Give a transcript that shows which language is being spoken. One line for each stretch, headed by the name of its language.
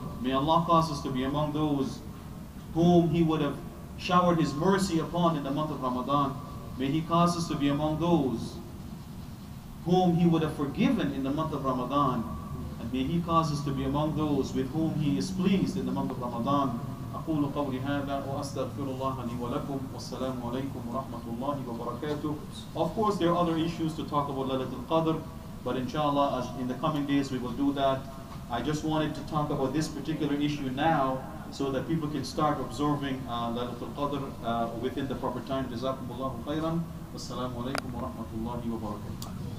English: May Allah cause us to be among those whom He would have showered His mercy upon in the month of Ramadan. May He cause us to be among those whom He would have forgiven in the month of Ramadan. And may He cause us to be among those with whom He is pleased in the month of Ramadan.
Arabic: أقول قولي هذا وأستغفر الله لي ولكم والسلام عليكم ورحمة الله وبركاته.
English: Of course, there are other issues to talk about Laylatul Qadr, but inshallah, as in the coming days, we will do that. I just wanted to talk about this particular issue now, so that people can start observing Laylatul Qadr within the proper time.
Arabic: جزاكم الله خيرا والسلام عليكم ورحمة الله وبركاته.